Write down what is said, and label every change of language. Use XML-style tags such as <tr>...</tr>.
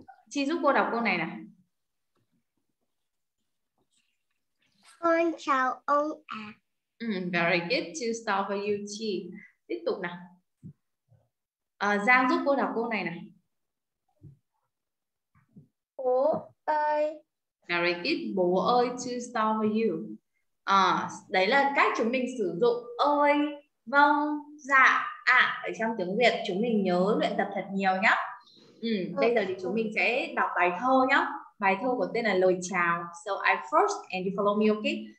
<vi>Chị giúp cô đọc câu này nè. Con chào ông ạ.</vi> <en>Very good to start for you, Chi.</en> <vi>Tiếp tục nào. Giang giúp cô đọc câu này nè. Bố ơi.</vi> <en>Very good,</en> <vi>bố ơi</vi> <en>to start for you.</en> <vi>Đấy là cách chúng mình sử dụng ơi, vâng, dạ, ạ ở trong tiếng Việt. Chúng mình nhớ luyện tập thật nhiều nhé. Bây giờ thì chúng mình sẽ đọc bài thơ nhé. Bài thơ của tên là Lời Chào.</vi> <en>So I first and you follow me, okay?</en>